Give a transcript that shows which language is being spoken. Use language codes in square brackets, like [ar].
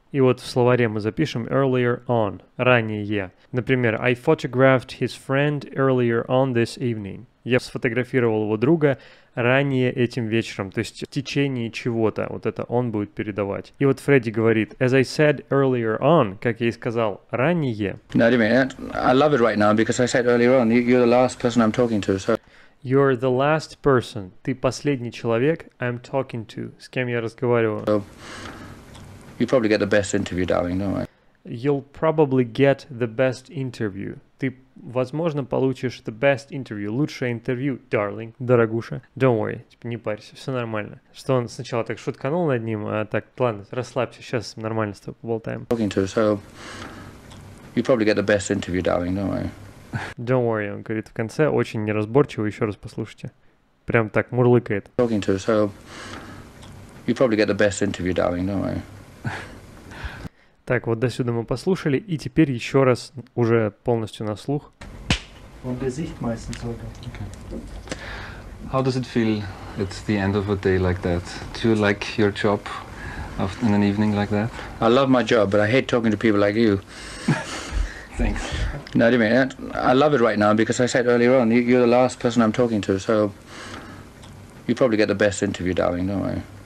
[ru] И вот в словаре мы запишем [en] earlier on. [ru] Ранее. Например, [en] I photographed his friend earlier on this evening. [ru] Я сфотографировал его друга ранее этим вечером, то есть в течение чего-то, вот это он будет передавать. И вот Фредди говорит, [en] as I said earlier on, [ru] как я и сказал, ранее. [en] No, I mean, I love it right now, because I said earlier on, you're the last person I'm talking to, so... You're the last person, [ru] ты последний человек, [en] I'm talking to, [ru] с кем я разговариваю. [en] So, you probably get the best interview, darling, don't worry. You'll probably get the best interview. [ru] Ты, возможно, получишь [en] the best interview, [ru] лучшее интервью, [en] darling, [ru] дорогуша. [en] Don't worry, [ru] типа, не парься, все нормально. Что он сначала так шутканул над ним, а так, ладно, расслабься, сейчас нормально с тобой поболтаем. [en] Talking to, so you probably get the best interview, darling, don't worry. Don't worry, [ru] он говорит в конце, очень неразборчиво, еще раз послушайте. Прям так мурлыкает. [en] Talking to, so you probably get the best interview, darling, don't worry. [ru] Так, вот до сюда мы послушали, и теперь еще раз уже полностью на слух. [de] Он Gesicht meistens [en] okay. How does it feel at the end of a day like that? Do you like your job in an evening like that? I love my job, but I hate talking to people like you. Thanks. No, do you mean? I love it right now because I said earlier on, you're the last person I'm talking to, so you probably get the best interview, darling, don't worry.